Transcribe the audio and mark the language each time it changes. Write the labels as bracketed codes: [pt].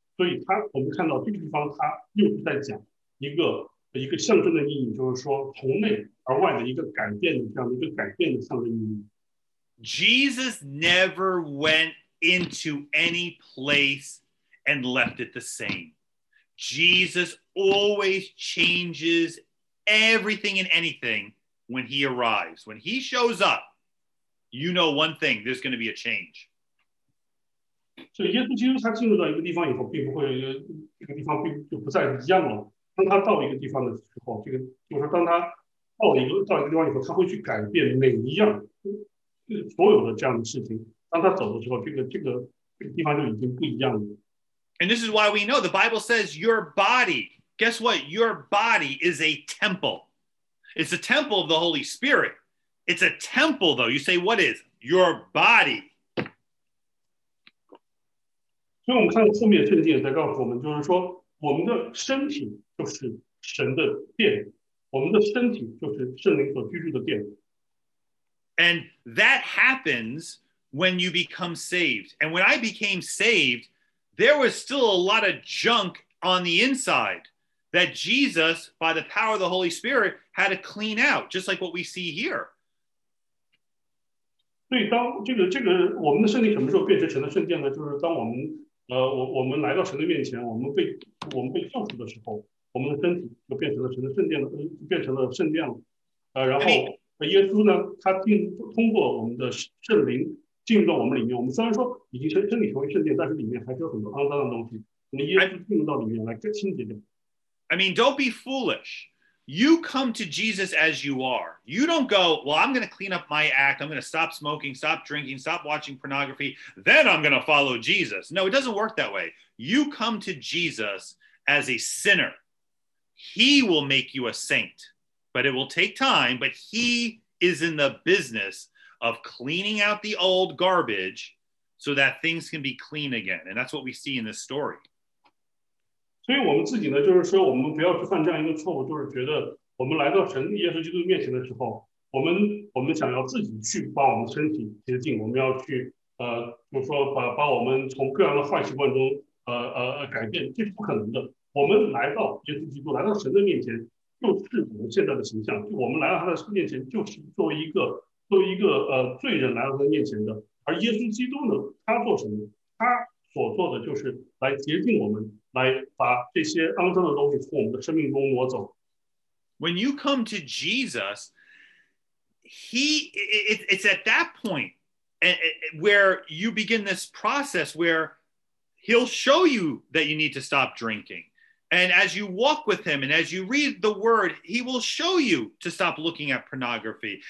[zh] 所以我们看到这个地方，他又是在讲一个象征的意义，就是说从内而外的一个改变的这样的一个改变的象征意义。 [en] Jesus never went into any place and left it the same. Jesus always changes everything and anything when he arrives. When he shows up, you know one thing, there's going to be a change. [zh] 所以耶稣基督他进入到一个地方以后，并不会一个地方并就不再一样了。当他到一个地方的时候，这个就是当他到一个地方以后，他会去改变每一样所有的这样的事情。当他走的时候，这个地方就已经不一样了。 [en] And this is why we know the Bible says your body. Guess what? Your body is a temple. It's a temple of the Holy Spirit. It's a temple, though. You say, what is? Your body. So we see the next verse is telling us that our body is the temple of the Holy Spirit. Our body is the temple of the Holy Spirit. And that happens when you become saved. And when I became saved, there was still a lot of junk on the inside that Jesus, by the power of the Holy Spirit, had to clean out, just like what we see here. [zh] 对，当这个我们的身体什么时候变成神的圣殿呢？就是当我们我们来到神的面前，我们被救赎的时候，我们的身体就变成了神的圣殿了，变成了圣殿了。然后耶稣呢，他通过我们的圣灵。进入到我们里面，我们虽然说已经身体成为圣殿，但是里面还是有很多肮脏的东西。我们耶稣进入到里面来清洁掉。 [en] I mean, don't be foolish. You come to Jesus as you are. You don't go, well, I'm going to clean up my act. I'm going to stop smoking, stop drinking, stop watching pornography. Then I'm going to follow Jesus. No, it doesn't work that way. You come to Jesus as a sinner. He will make you a saint, but it will take time. But he is in the business of cleaning out the old garbage so that things can be clean again. And that's what we see in this story. [zh] 所以我们自己呢，就是说我们不要去犯这样一个错误，就是觉得我们来到神耶稣基督面前的时候，我们想要自己去把我们身体洁净，我们要去就是说把我们从各样的坏习惯中改变，这是不可能的。我们来到耶稣基督，来到神的面前，就是我们现在的形象。我们来到他的面前，就是作为一个罪人来到他面前的，而耶稣基督呢，他做什么？他所做的就是来洁净我们，来把这些肮脏的东西从我们的生命中挪走。 [en] When you come to Jesus, it's at that point where you begin this process where he'll show you that you need to stop drinking. And as you walk with him and as you read the word, he will show you to stop looking at pornography.